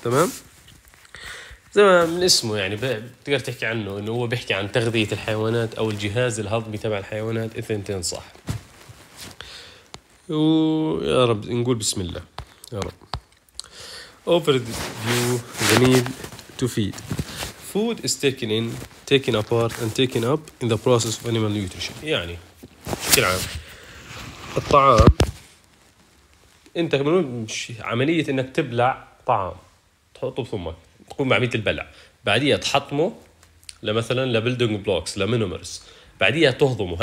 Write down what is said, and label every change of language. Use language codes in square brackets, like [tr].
[ar] تمام، زي ما من اسمه يعني بتقدر تحكي عنه انه هو بيحكي عن تغذية الحيوانات او الجهاز الهضمي تبع الحيوانات. اثنتين صح، ويا رب نقول بسم الله يا رب. [en] Overview the need to feed. Food is taken in, taken apart and taken up in the process of animal nutrition. [ar] يعني بشكل عام الطعام، انت مش عملية انك تبلع طعام تحطه بثمك، تقوم بعملية البلع، بعديها تحطمه لمثلا لبلدنج بلوكس لمينومرز، بعديها تهضمه.